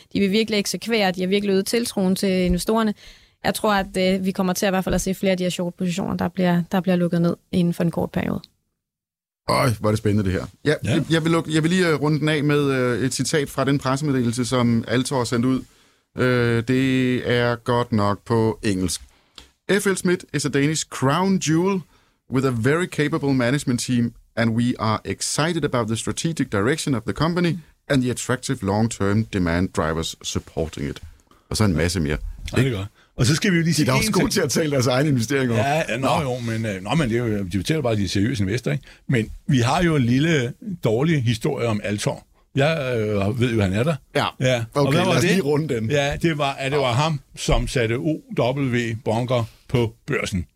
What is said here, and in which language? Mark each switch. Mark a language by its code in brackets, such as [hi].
[da] De vil virkelig eksekvere, de har virkelig øget tiltroen til investorerne. Jeg tror, at vi kommer til at i hvert fald at se flere af de her short-positioner, der bliver lukket ned inden for en kort periode. Øj, hvor er det spændende det her. Jeg vil lige runde den af med et citat fra den pressemeddelelse, som Altor sendte ud. Det er godt nok på engelsk. [en] FL Schmidt is a Danish crown jewel with a very capable management team, and we are excited about the strategic direction of the company and the attractive long-term demand drivers supporting it. [da] Og så en masse mere. Ja, det er godt. Og så skal vi jo lige sige, de er også gode til at tale deres egne investeringer. Men det er jo, de fortæller bare, at de er seriøse investorer, ikke? Men vi har jo en lille dårlig historie om Altor. Jeg ved jo, han er der. Ja. Okay, og lad os lige runde den. Ja, det var ham, som satte OW Bunker på børsen.